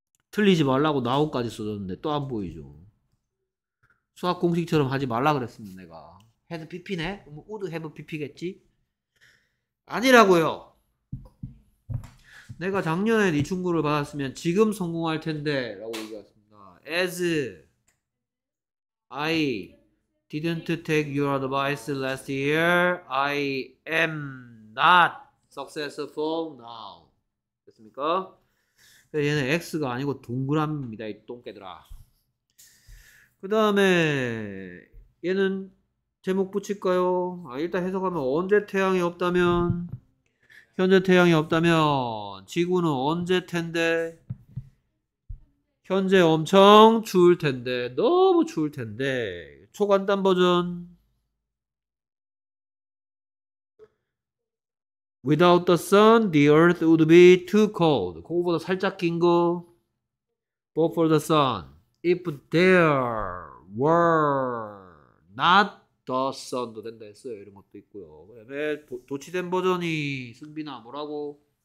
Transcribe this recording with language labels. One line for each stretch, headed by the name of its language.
Korean: 틀리지 말라고 now까지 써줬는데 또안 보이죠. 수학 공식처럼 하지 말라 그랬습니다, 내가. Had PP네? 그럼 would have PP겠지? 아니라고요. 내가 작년에 네 충고를 받았으면 지금 성공할 텐데라고 얘기했습니다.
English: As I didn't take your advice last year, I am not successful now.
Korean: 됐습니까? 얘는 X가 아니고 동그라미입니다, 이 똥개들아. 그 다음에, 얘는 제목 붙일까요? 아, 일단 해석하면, 언제 태양이 없다면, 현재 태양이 없다면, 지구는 언제 텐데, 현재 엄청 추울 텐데, 너무 추울 텐데, 초간단 버전.
English: Without the sun, the earth would be too cold.
Korean: 그거보다 살짝 긴 거.
English: But for the sun, if there were not the sun도
Korean: 된다 했어요. 이런 것도 있고요. 그다음에 도치된 버전이 승빈아 뭐라고?